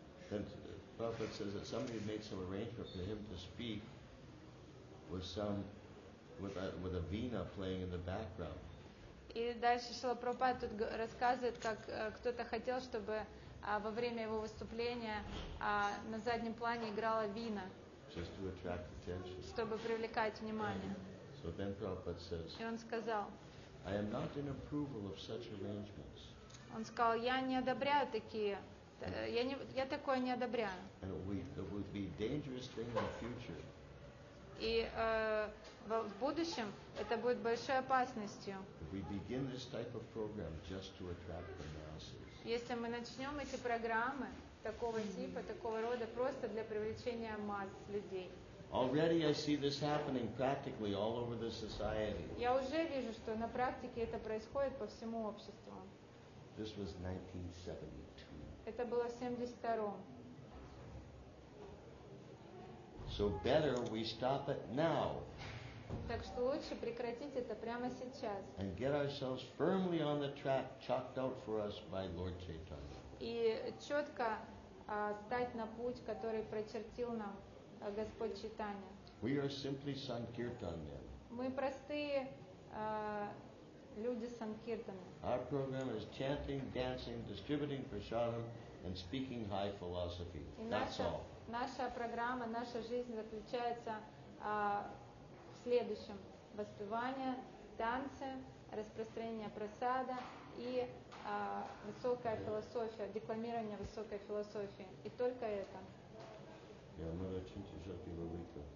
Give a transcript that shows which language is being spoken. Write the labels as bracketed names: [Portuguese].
[English] Then Prabhupada says that somebody made some arrangement for him to speak with a veena playing in the background. [Russian] И дальше Шрила Прабхупада тут рассказывает, как кто-то хотел, чтобы во время его выступления на заднем плане играла вина. [English] Just to attract attention. [Russian] Чтобы привлекать внимание. [English] So then Prabhupada says. [Russian] И он сказал. [English] I am not in approval of such arrangements. [Russian] Он сказал, я не одобряю такие, я такое не одобряю. [English] And it would be a dangerous thing in the future. [Russian] И в будущем это будет большой опасностью. [English] If we begin this type of program just to attract the masses. [Russian] Если мы начнем эти программы такого типа, такого рода, просто для привлечения масс людей. [English] Already I see this happening practically all over the society. [Russian] Я уже вижу, что на практике это происходит по всему обществу. [English] This was 1972. [Russian] Это было в 72-м. [English] So better we stop it now. [Russian] Так что лучше прекратить это прямо сейчас. [English] And get ourselves firmly on the track chalked out for us by Lord Chaitanya. [Russian] И четко стать на путь, который прочертил нам Господь Читания. [English] We are simply Sankirtan men. [Russian] Мы простые люди Санкиртаны. [English] Our program is chanting, dancing, distributing prasadam, and speaking high philosophy. That's all. [Russian] Наша программа, наша жизнь заключается в следующем: воспевание, танцы, распространение прасада и высокая философия, декламирование высокой философии. И только это. [English] Yeah, I'm gonna change this up here a week.